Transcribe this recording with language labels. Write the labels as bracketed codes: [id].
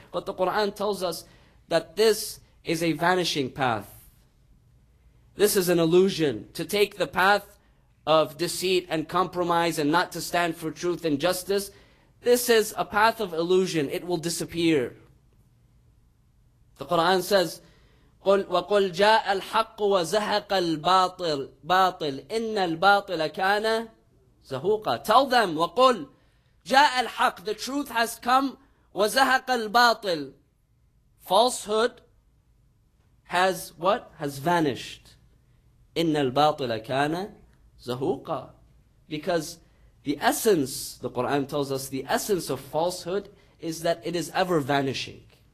[en] But the Quran tells us that this is a vanishing path. This is an illusion. To take the path of deceit and compromise and not to stand for truth and justice, this is a path of illusion. It will disappear. The Quran says, [ar] وَقُلْ جَاءَ الْحَقُّ وَزَهَقَ الْبَاطِلِ إِنَّ الْبَاطِلَ كَانَ زَهُوقًا. [en] Tell them, [ar] وَقُلْ جَاءَ الْحَقُّ, [en] the truth has come, [ar] وَزَهَقَ الْبَاطِلِ, [en] falsehood has what? Has vanished. [ar] إِنَّ الْبَاطِلَ كَانَ زَهُوقًا. [en] Because the essence, the Quran tells us, the essence of falsehood is that it is ever vanishing.